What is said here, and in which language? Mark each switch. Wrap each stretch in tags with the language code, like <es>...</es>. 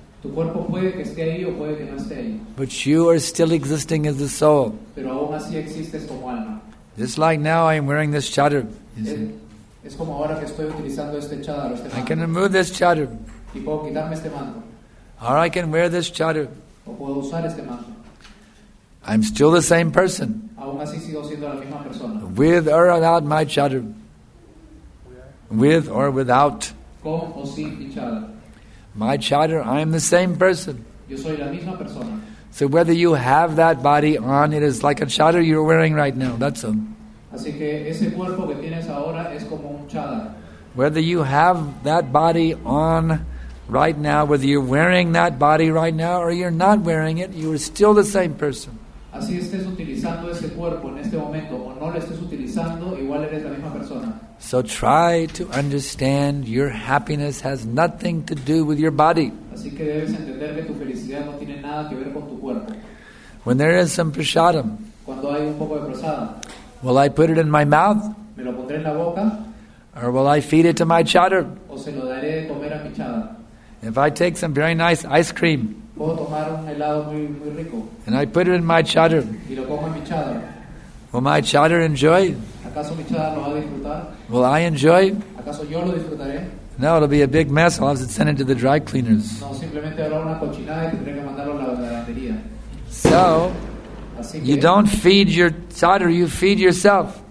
<es>Tu cuerpo puede que esté ahí o puede que no esté ahí.</es> <en>But you are still existing as the soul.</en> <es>Pero aún así existes como alma.</es> <en>Just like now I am wearing this chadar.</en> <es>Es Es como ahora que estoy utilizando este chador, este mando.</es> <en>I can remove this chador.</en> <es>Y puedo quitarme este mando.</es> <en>Or I can wear this chador.</en> <es>O puedo usar este mando.</es> <en>I'm still the same person.</en> <es>Aún así sigo siendo la misma persona.</es> <en>With or without my chador. With or without.</en> <es>Con o sin mi chador.</es> <en>My chador, I am the same person.</en> <es>Yo soy la misma persona.</es> <en>So whether you have that body on, it is like a chador you're wearing right now. That's all.</en> <es>Así que ese cuerpo que tienes ahora es como un chador.</es> <en>Whether you have that body on right now, whether you're wearing that body right now or you're not wearing it, you are still the same person.</en> <es>Así estés utilizando ese cuerpo en este momento o no lo estés utilizando, igual eres la misma persona.</es> <en>So try to understand your happiness has nothing to do with your body.</en> <es>Así que debes entender que tu felicidad no tiene nada que ver con tu cuerpo.</es> <en>When there is some prasadam,</en> <es>cuando hay un poco de prasadam,</es> <en>will I put it in my mouth?</en> <es>¿Me lo pondré en la boca?</es> <en>Or will I feed it to my chador?</en> <es>¿O se lo daré de comer a mi chador?</es> <en>If I take some very nice ice cream,</en> <es>¿puedo tomar un helado muy, muy rico?</es> <en>And I put it in my chador,</en> <es>¿y lo cojo en mi chador?</es> <en>Will my chador enjoy?</en> <es>¿Acaso mi chador lo va a disfrutar?</es> <en>Will I enjoy?</en> <es>¿Acaso yo lo disfrutaré?</es> <en>No, it'll be a big mess. I'll have to send it to the dry cleaners.</en> <es>No, simplemente habrá una cochinada y tendré que mandarlo a la lavandería.</es> <en>So, you don't feed your chador, you feed yourself.</en>